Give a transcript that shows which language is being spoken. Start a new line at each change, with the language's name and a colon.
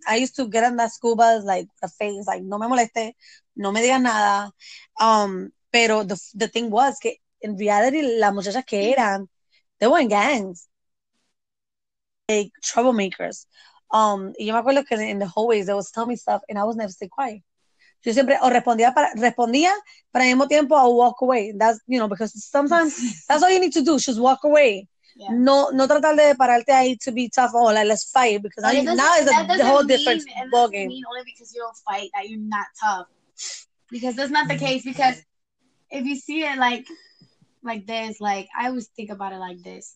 English: I used to get on that school bus, like, the face, like,
Spanish: no me moleste, no me diga nada.
English: Pero the thing was que, in reality,
Spanish: las muchachas que eran,
English: they were in gangs. Like, troublemakers.
Spanish: Y yo me acuerdo que
English: in the hallways, they would tell me stuff, and I was never stay quiet.
Spanish: Yo siempre o respondía para el mismo tiempo o
English: walk away. That's, you know, because sometimes that's all you need to do, just walk away. Yeah.
Spanish: No tratar de pararte ahí
English: to be tough or like, let's fight, because now it's a whole different ballgame. That doesn't mean only because you don't fight that you're not tough. Because that's not the case, because if you see it like this, like, I always think about it like this.